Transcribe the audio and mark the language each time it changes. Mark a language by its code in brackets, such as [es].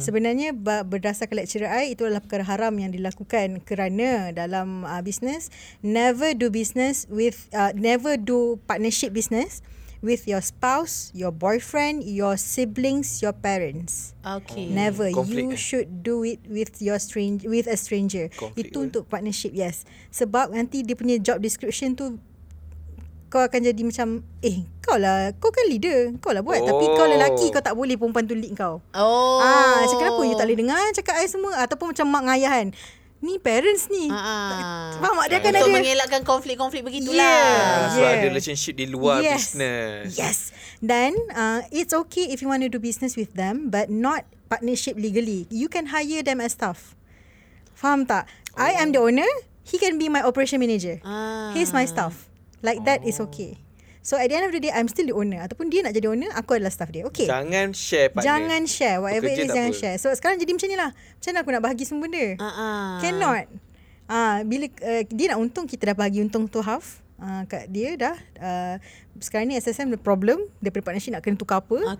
[ms] Sebenarnya berdasarkan lecturer I, itu adalah perkara haram yang dilakukan. Kerana dalam [en] business, never do business with, never do partnership business with your spouse, your boyfriend, your siblings, your parents. Okay. Never. Conflict. You should do it with your stranger, with a stranger. [ms] Conflict itu untuk partnership, [en] yes. [ms] Sebab nanti dia punya job description tu, kau akan jadi macam, eh, kau lah, kau kan leader, kau lah buat. Oh. Tapi kau lelaki, kau tak boleh perempuan tu lead kau. Oh. Ah, macam kenapa you tak boleh dengar cakap ayah semua? Ataupun macam mak dengan ayah kan. Ni parents ni. Ha. Faham tak? Dia kan ada mengelakkan konflik-konflik begitulah. [en] Yeah. So [ms] ada relationship di luar business. [en] Yes. Then it's okay if you want to do business with them but not partnership legally. You can hire them as staff. [ms] Faham tak? [en] Oh. I am the owner, he can be my operation manager. He's my staff. Like that is okay. So at the end of the day, I'm still the owner. [ms] Ataupun dia nak jadi owner, aku adalah staff dia. [en] Okay. [ms] Jangan share partner. Jangan share. Whatever bekerja it is, jangan apa. Share. So sekarang jadi macam ni lah. Macam mana aku nak bahagi semua benda? Cannot. Bila dia nak untung, kita dah bahagi untung tu half. Kat dia dah. Sekarang ni SSM [en] the problem. [ms] Daripada partnership nak kena tukar apa.